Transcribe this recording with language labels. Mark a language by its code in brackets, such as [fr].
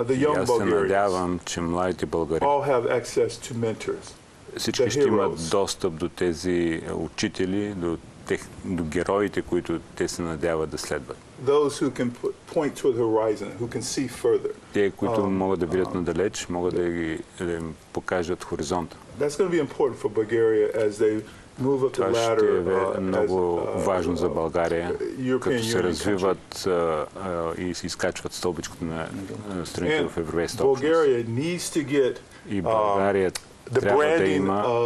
[bg] Аз се надявам, че младите българи [en] all have access to mentors. [bg] Всички ще имат достъп до тези учители, до героите, които те се надяват да следват. [en] Those who can point to the horizon, who can see further. [bg] Те, които могат да видят надалеч, могат да им покажат хоризонта. [en] That's going to be important for Bulgaria as they move up the ladder. [bg] Това ще е много важно за България, като се развиват и се изкачват стълбичката на страните в Европейската общност. И България трябва да има